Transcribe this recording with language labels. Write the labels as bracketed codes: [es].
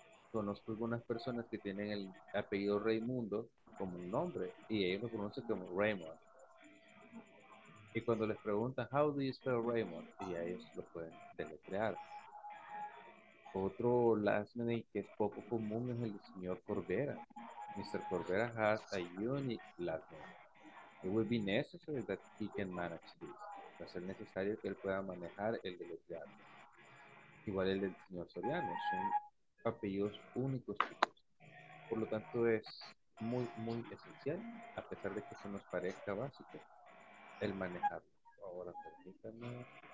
[es] Conozco algunas personas que tienen el apellido Raimundo como un nombre y ellos lo conocen como Raymond. Y cuando les preguntan, [en] how do you spell Raymond? [es] Y ya ellos lo pueden deletrear. Otro last name que es poco común es el señor Corbera. [en] Mr. Corbera has a unique last name. It would be necessary that he can manage this. [es] Va a ser necesario que él pueda manejar el deletrear. Igual el del señor Soriano. Son apellidos únicos, chicos. Por lo tanto, es muy, muy esencial, a pesar de que se nos parezca básico, el manejarlo. Ahora, permítanme.